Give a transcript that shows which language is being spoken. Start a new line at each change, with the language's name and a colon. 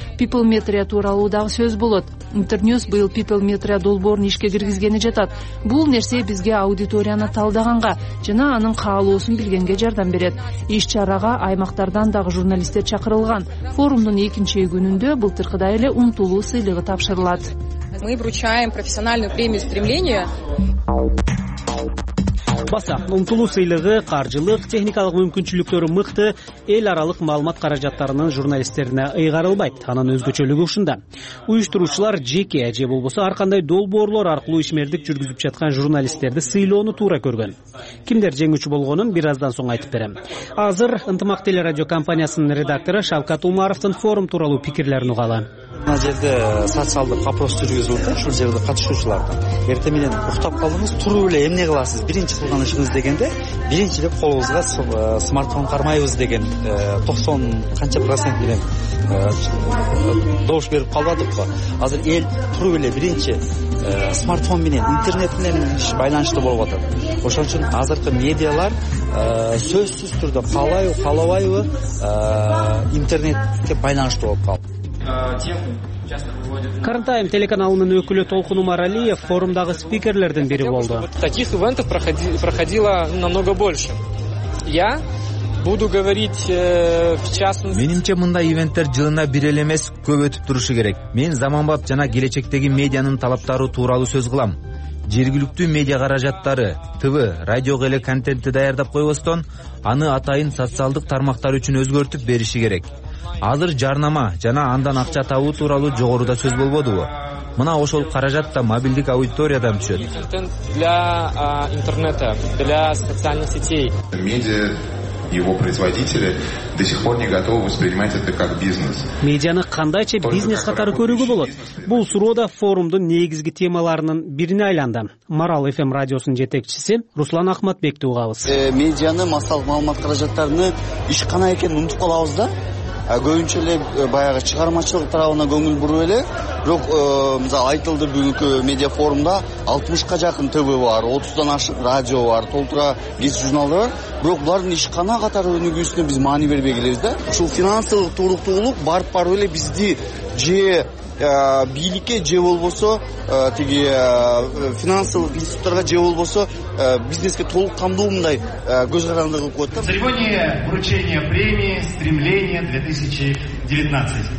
Kyrgyz: Пиплметрия тууралуу дагы сөз болот. Интерньюс быйыл пиплметрия долбоорун ишке киргизгени жатат. Бул нерсе бизге аудиторияны талдаганга жана анын каалоосун билгенге жардам берет. Иш-чарага аймактардан дагы журналисттер чакырылган. Форумдун экинчи күнүндө былтыркыдай эле умтулуу сыйлыгы тапшырылат.
Russian: Мы вручаем профессиональную премию стремления.
Kyrgyz: Баса, умтулуу сыйлыгы, каржылык, техникалык мүмкүнчүлүктөрү мыкты, эл аралык маалымат каражаттарынын журналисттерине ыйгарылбайт. Анын өзгөчөлүгү ушунда. Уюштуруучулар жеке же болбосо ар кандай долбоорлор аркылуу ишмердик жүргүзүп жаткан журналисттерди сыйлоону туура көргөн. Кимдер жеңүүчү болгонун бир аздан соң айтып берем. Азыр Ынтымак телерадио компаниясынын редактору Шавкат Умаровдун форум тууралуу пикирлерин угалы. Мына жерде социалдык опрос жүргүзүлүп, ушул жерде катышуучулардан эрте менен уктап калдыңыз, туруп эле эмне кыласыз? Биринчи кылган ишиңиз дегенде, биринчи эле колубузга смартфон кармайбыз деген 90% менен добуш берип калбадыкпы? Азыр эл туруп эле биринчи смартфон менен интернет менен байланыштуу болуп атат. Ошон үчүн азыркы медиалар сөзсүз түрдө каалайбы, каалабайбы интернетке байланыштуу болуп калды. Карантайм телеканалынын өкүлү Толкун Умаралиев форумдагы спикерлердин бири болду.
Russian: Таких ивентов проходило намного больше. Я буду говорить в частности.
Kyrgyz: Менимче мындай ивенттер жылына бир эле эмес, көп өтүп турушу керек. Мен заманбап жана келечектеги медианын талаптары тууралуу сөз кылам. Жергиликтүү медиа каражаттары, ТВ, радиого эле контентти даярдап койбостон, аны атайын социалдык тармактар үчүн өзгөртүп бериши керек. Азыр жарнама жана андан акча табуу тууралуу жогоруда сөз болбодубу? Мына ошол каражат да мобилдик аудиториядан түшөт.
Russian: Для интернета, для социальных сетей. Медиа его производители до сих пор не готовы воспринимать это как бизнес.
Kyrgyz: Медианы кандайча бизнес катары көрүүгө болот? Бул суроо да форумдун негизги темаларынын бирине айланды. Марал FM радиосунун жетекчиси Руслан Ахматбекти угабыз. Медианы массалык маалымат каражаттарыны иш кана экенин унутуп калабыз да. Көбүнчө эле баягы чыгармачылык тарабына көңүл буруп эле, бирок мисалы айтылды бүгүнкү медиа форумда 60 жакын ТВ бар, 30 ашык радио бар, толтура гезит журналдар бар, бирок булардын ишкана катары өнүгүүсүнө биз маани бербей келебиз да. Ушул финансылык туруктуулук барып барып эле бизди же бийликке же болбосо тиги финансылык институттарга же болбосо бизнеске толук камдуу мындай көз каранды кылып коет да.
Russian: Церемония вручения премии стремления 2019.